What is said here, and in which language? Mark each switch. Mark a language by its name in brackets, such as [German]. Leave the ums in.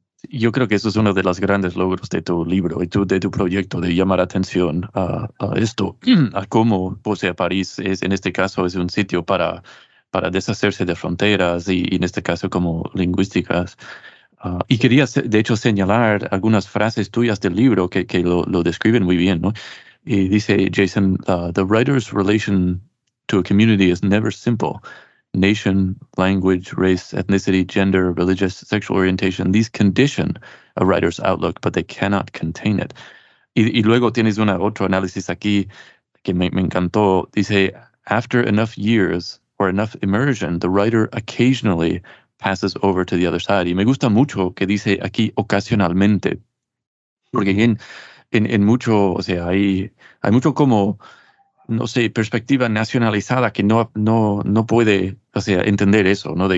[Spanish] Yo creo que eso es uno de los grandes logros de tu libro y tu, de tu proyecto, de llamar atención a, a esto, a cómo o sea, París es, en este caso es un sitio para, para deshacerse de fronteras y, y en este caso como lingüísticas. Uh, y quería, de hecho, señalar algunas frases tuyas del libro que, que lo, lo describen muy bien, ¿no? Y dice [English] Jason, uh, the writer's relation to a community is never simple. Nation, language, race, ethnicity, gender, religious, sexual orientation, these condition a writer's outlook, but they cannot contain it. [Spanish] Y, y luego tienes una, otro análisis aquí que me, me encantó. Dice, [English] after enough years or enough immersion, the writer occasionally passes over to the other side. [Spanish] Y me gusta mucho que dice aquí ocasionalmente, porque bien, en, en, mucho, o sea, hay, hay mucho como, no sé, perspectiva nacionalizada que no, no, no puede, o sea, entender eso, ¿no?